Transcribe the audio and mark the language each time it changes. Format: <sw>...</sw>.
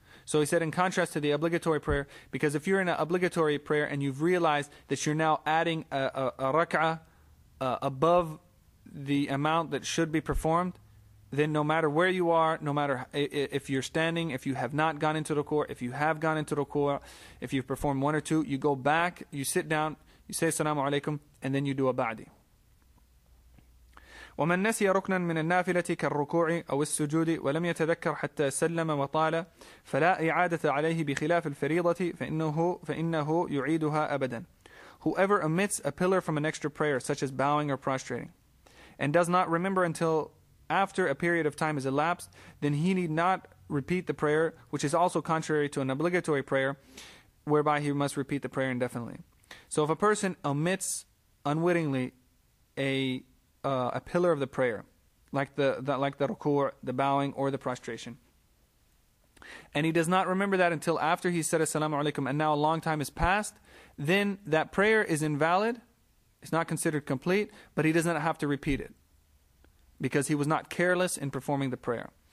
<en>So he said, in contrast to the obligatory prayer, because if you're in an obligatory prayer and you've realized that you're now adding a rak'ah above the amount that should be performed, then no matter where you are, no matter if you're standing, if you have not gone into ruku', if you have gone into ruku', if you've performed one or two, you go back, you sit down, you say assalamu alaikum, and then you do a ba'di.</en> <ar>ومن نسي ركنا من النافلة كالركوع أو السجود ولم يتذكر حتى سلم وطال فلا إعادة عليه بخلاف الفريضة فإنه يعيدها أبدا.</ar> <en>Whoever omits a pillar from an extra prayer, such as bowing or prostrating, and does not remember until after a period of time has elapsed, then he need not repeat the prayer, which is also contrary to an obligatory prayer, whereby he must repeat the prayer indefinitely. So if a person omits unwittingly a pillar of the prayer, like the ruku', the bowing, or the prostration, and he does not remember that until after he said assalamu alaikum, and now a long time has passed, then that prayer is invalid, it's not considered complete, but he does not have to repeat it, because he was not careless in performing the prayer.</en>